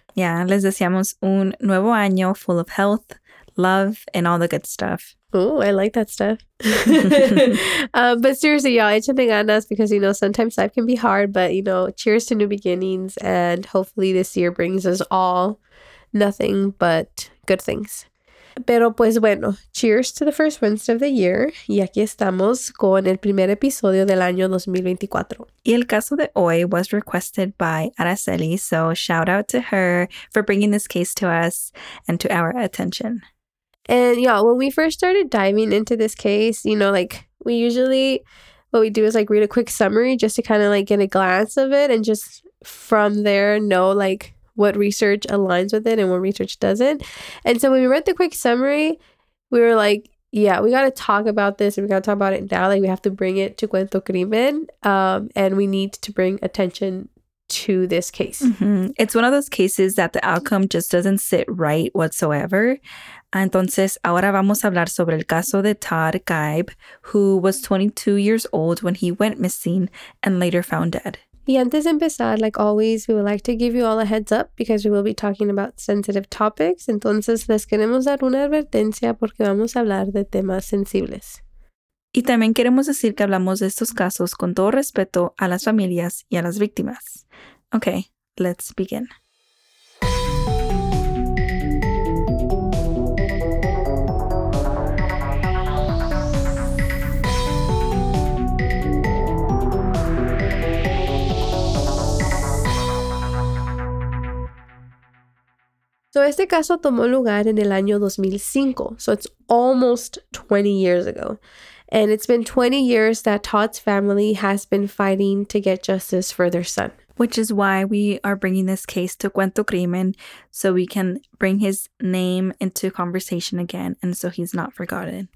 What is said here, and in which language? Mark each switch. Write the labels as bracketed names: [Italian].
[English] Yeah, les deseamos un nuevo año full of health, love, and all the good stuff. Oh, I like that stuff. but seriously, y'all, échenle ganas because, you know, sometimes life can be hard. But, you know, cheers to new beginnings. And hopefully this year brings us all nothing but good things. Pero pues bueno, cheers to the first Wednesday of the year. [Spanish] Y aquí estamos con el primer episodio del año 2024. [English] Y el caso de hoy was requested by Araceli. So shout out to her for bringing this case to us and to our attention. And yeah, when we first started diving into this case, you know, like we usually, what we do is like read a quick summary just to kind of like get a glance of it and just from there know like what research aligns with it and what research doesn't. And so when we read the quick summary, we were like, yeah, we got to talk about this and we got to talk about it now. Like we have to bring it to Cuento Crimen and we need to bring attention to this case. Mm-hmm. It's one of those cases that the outcome just doesn't sit right whatsoever. Entonces, ahora vamos a hablar sobre el caso de Todd Gibe, who was 22 years old when he went missing and later found dead. Y antes de empezar, like always, we would like to give you all a heads up because we will be talking about sensitive topics. [Spanish] Entonces, les queremos dar una advertencia porque vamos a hablar de temas sensibles. Y también queremos decir que hablamos de estos casos con todo respeto a las familias y a las víctimas. [English] Okay, let's begin. [Spanish] So, este caso tomó lugar en el año 2005. [English] So, it's almost 20 years ago. And it's been 20 years that Todd's family has been fighting to get justice for their son. Which is why we are bringing this case to Cuento Crimen, so we can bring his name into conversation again, and so he's not forgotten.